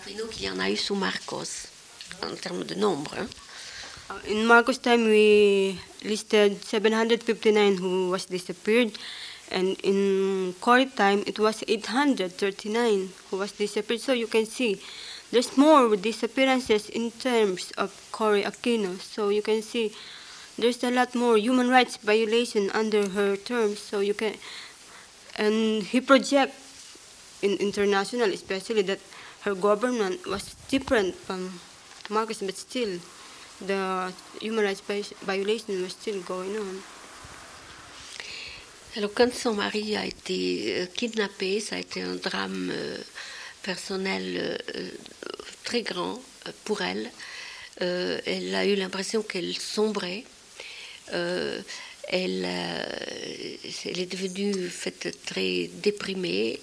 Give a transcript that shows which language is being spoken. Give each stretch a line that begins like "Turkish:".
French: qu'il y en a eu sous Marcos en termes de nombre.
English: In Marcos' time, we listed 759 who was disappeared, and in Korea time, it was 839 who was disappeared. So you can see there's more disappearances in terms of Cory Aquino. So you can see there's a lot more human rights violation under her terms. So you can, and he project in international, especially, that her government was different from Marcos, but still the human rights violation was still going on.
French: Alors, quand son mari a été kidnappé, ça a été un drame personnel très grand pour elle. Elle a eu l'impression qu'elle sombrait. Elle est devenue très déprimée.